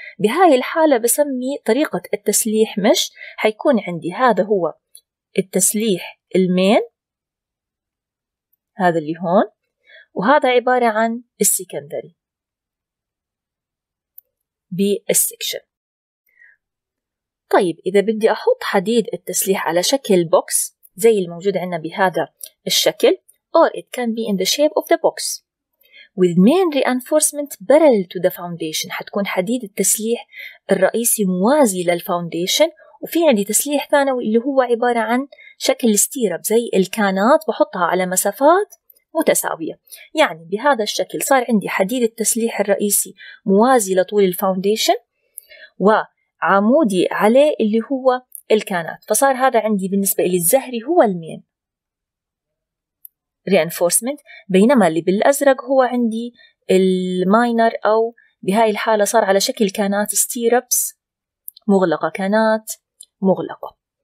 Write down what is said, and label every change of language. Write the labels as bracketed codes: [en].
[ar] بهاي الحالة بسمي طريقة التسليح مش، حيكون عندي هذا هو التسليح المين هذا اللي هون، وهذا عبارة عن السيكندري بالسكشن. طيب إذا بدي أحط حديد التسليح على شكل بوكس، زي الموجود عندنا بهذا الشكل [en] or it can be in the shape of the box with main reinforcement parallel to the foundation. [ar] حتكون حديد التسليح الرئيسي موازي للفاونديشن, وفي عندي تسليح ثانوي اللي هو عبارة عن شكل استيرب زي الكانات بحطها على مسافات متساوية. يعني بهذا الشكل صار عندي حديد التسليح الرئيسي موازي لطول الفاونديشن وعمودي عليه اللي هو الكانات, فصار هذا عندي بالنسبة لي الزهري هو المين reinforcement, بينما اللي بالأزرق هو عندي الماينر أو بهاي الحالة صار على شكل كانات ستيربس مغلقة, كانات مغلقة.